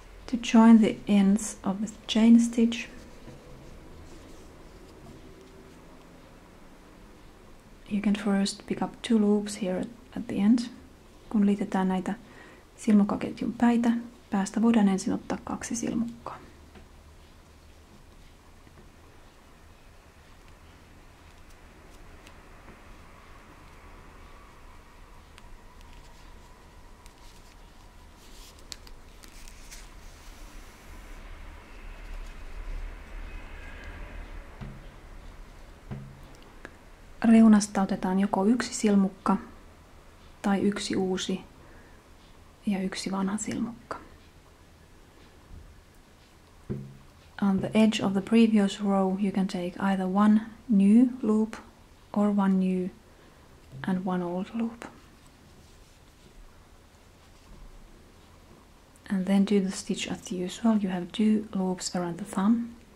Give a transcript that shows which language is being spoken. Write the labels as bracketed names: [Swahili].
[English] To join the ends of the chain stitch, you can first pick up two loops here at the end. [Finnish] Kun liitetään näitä silmukaketjun päitä, päästä voidaan ensin ottaa 2 silmukkaa. Reunasta otetaan joko 1 silmukka tai 1 uusi ja 1 vanha silmukka. [English] On the edge of the previous row, you can take either one new loop or one new and one old loop. And then do the stitch as usual. You have 2 loops around the thumb.